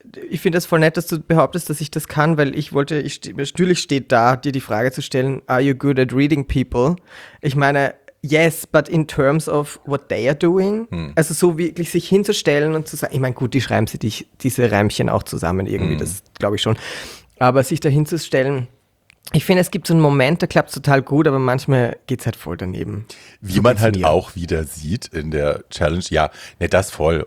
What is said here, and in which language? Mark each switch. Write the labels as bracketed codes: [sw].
[de] Ich finde es voll nett, dass du behauptest, dass ich das kann, weil ich wollte, natürlich steht da, dir die Frage zu stellen, [en] are you good at reading people? [de] Ich meine, [en] yes, but in terms of what they are doing. [de] Also so wirklich sich hinzustellen und zu sagen, ich meine, gut, die schreiben sich diese Reimchen auch zusammen irgendwie, das glaube ich schon. Aber sich da hinzustellen, ich finde, es gibt so einen Moment, da klappt es total gut, aber manchmal geht es halt voll daneben. Wie so man halt auch wieder sieht in der Challenge, ja, ne, das voll.